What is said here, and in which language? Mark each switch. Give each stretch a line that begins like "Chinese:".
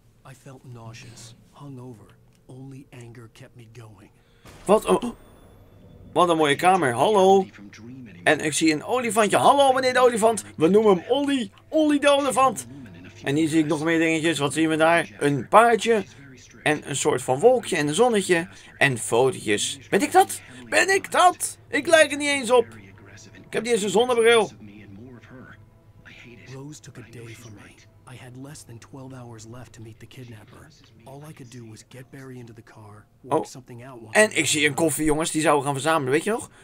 English: I felt nauseous, hungover. Only anger kept me going.
Dutch: Wat een... Wat een mooie kamer, hallo. En ik zie een olifantje. Hallo meneer de olifant. We noemen hem Olly. Olly de olifant. En hier zie ik nog meer dingetjes. Wat zien we daar? Een paardje. En een soort van wolkje en een zonnetje. En fotootjes. Ben ik dat? Ben ik dat? Ik lijk er niet eens op. Ik heb niet eens een zonnebril.
English: Rose took a day from me. I had less than 12 hours left to meet the kidnapper. All I could do was get Barry into the car, work something out.
Dutch: En ik zie een koffie, jongens, die zouden we gaan verzamelen, weet je nog?